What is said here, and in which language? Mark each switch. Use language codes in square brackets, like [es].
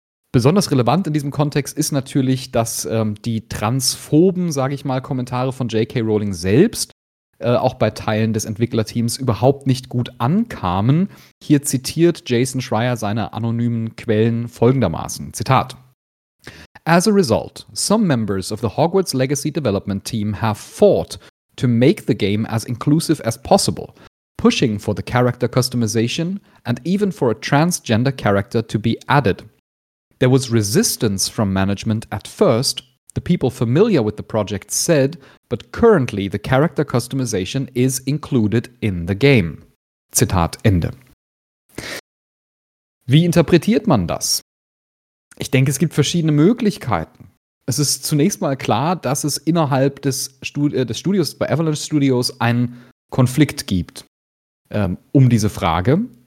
[de] Besonders relevant in diesem Kontext ist natürlich, dass die transphoben, sage ich mal, Kommentare von J.K. Rowling selbst auch bei Teilen des Entwicklerteams überhaupt nicht gut ankamen. Hier zitiert Jason Schreier seine anonymen Quellen folgendermaßen. [en] Zitat: As a result, some members of the Hogwarts Legacy development team have fought to make the game as inclusive as possible. pushing for the character customization and even for a transgender character to be added. There was resistance from management at first, the people familiar with the project said, but currently the character customization is included in the game. [de] Zitat Ende. Wie interpretiert man das? Ich denke, es gibt verschiedene Möglichkeiten. Es ist zunächst mal klar, dass es innerhalb des Studios, bei Avalanche Studios, einen Konflikt gibt um diese Frage.